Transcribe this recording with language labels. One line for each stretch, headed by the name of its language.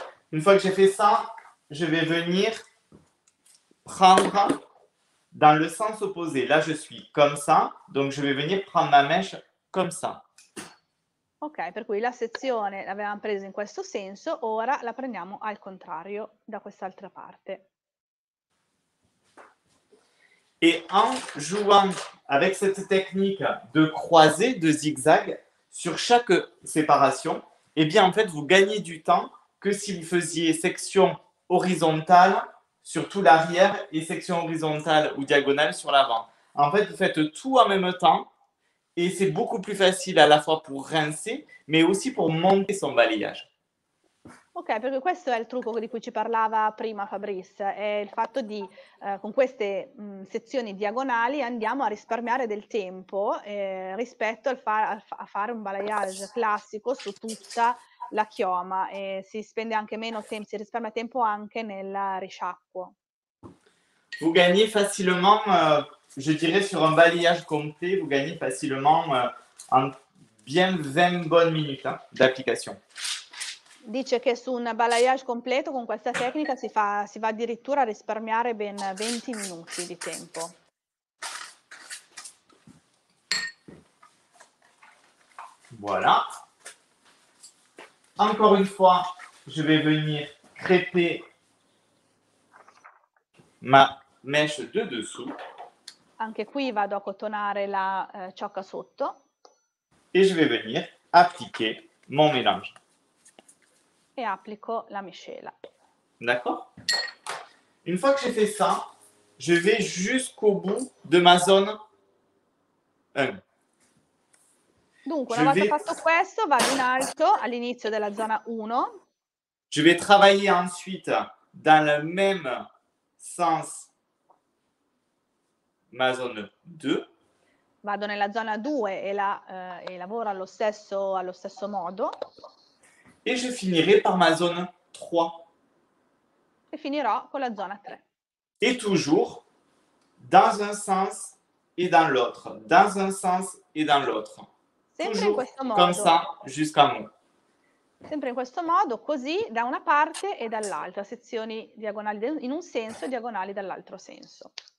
French: Une fois que j'ai fait ça, je vais venir prendre dans le sens opposé. Là, je suis comme ça, donc je vais venir prendre ma mèche
Italian: come sta. Ok, per cui la sezione l'avevamo presa in questo senso, ora la prendiamo al contrario, da quest'altra parte.
French: Et en jouant avec cette technique de croisée, de zigzag, sur chaque séparation, eh bien en fait vous gagnez du temps que si vous faisiez section horizontale sur tout l'arrière et section horizontale ou diagonale sur l'avant. En fait, vous faites tout en même temps et c'est beaucoup plus facile à la fois pour rincer, mais aussi pour monter son balayage.
Italian: Ok, perché questo è il trucco di cui ci parlava prima Fabrice, è il fatto di con queste sezioni diagonali andiamo a risparmiare del tempo rispetto a fare un balayage classico su tutta la chioma e si spende anche meno tempo, si risparmia tempo anche nel risciacquo.
French: Vous gagnez facilement, je dirais sur un balayage complet, vous gagnez facilement bien 20 bonnes minutes d'application.
Italian: Dice che su un balayage completo con questa tecnica si va addirittura a risparmiare ben 20 minuti di tempo.
French: Voilà. Encore une fois, je vais venir crêper ma mèche de dessous.
Italian: Anche qui vado a cotonare la ciocca sotto.
French: Et je vais venir appliquer mon mélange.
Italian: E applico la miscela.
French: D'accord. Une fois que j'ai fait ça, je vais jusqu'au bout de ma zone 1.
Italian: Dunque, una volta fatto questo, vado in alto all'inizio della zona 1.
French: Je vais travailler ensuite dans le même sens ma zone 2.
Italian: Vado nella zona 2 e la e lavoro allo stesso modo.
French: Et je finirai par ma zone 3.
Italian: E finirò con la zona 3.
French: Et toujours dans un sens et dans l'autre, dans un sens et dans l'autre.
Italian: Sempre
French: toujours
Italian: in questo modo.
French: Comme ça jusqu'à mon.
Italian: Sempre in questo modo, così da una parte e dall'altra, sezioni diagonali in un senso e diagonali dall'altro senso.